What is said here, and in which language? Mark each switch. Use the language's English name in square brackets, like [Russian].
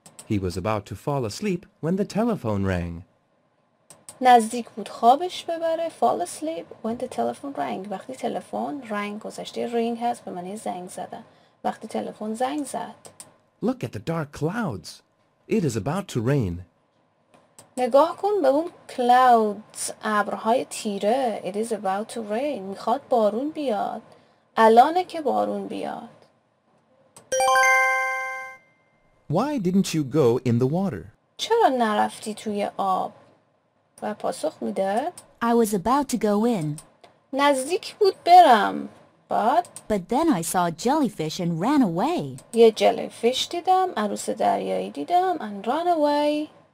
[English] He was about to fall asleep when the telephone rang. [Persian] نزدیک بود خوابش ببره. [English] Fall asleep when the telephone rang. [Persian] وقتی تلفن رنگ گذشته رینگ هست به معنی زنگ زدن. وقتی تلفن زنگ زد. [English] Look at the dark clouds. It is about to rain. [Persian] نگاه کن به اون clouds، ابرهای تیره. [English] It is about to rain. [Persian] میخواد بارون بیاد. الانه که بارون بیاد. [English] Why didn't you go in the water? [Persian] چرا نرفتی توی آب؟ و پاسخ میده [English] I was about to go in. [Persian] نزدیک بود برم. But [English] then I saw a jellyfish and ran away. [Persian] یه جلیفیش دیدم، عروس دریایی دیدم [English] and ran away.